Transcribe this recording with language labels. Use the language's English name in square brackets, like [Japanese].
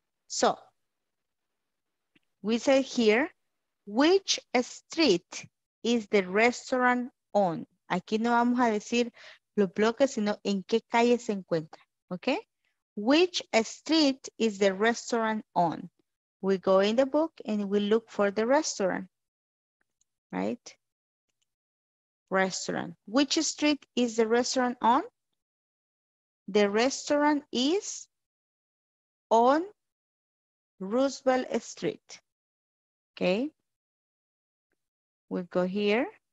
[English] So, we say here, which street is the restaurant on? [Spanish] Aquí no vamos a decir los bloques, sino en qué calle se encuentra, okay? [English] Which street is the restaurant on? We go in the book and we look for the restaurant, right? Restaurant. Which street is the restaurant on? The restaurant is on Roosevelt Street, okay? We go here.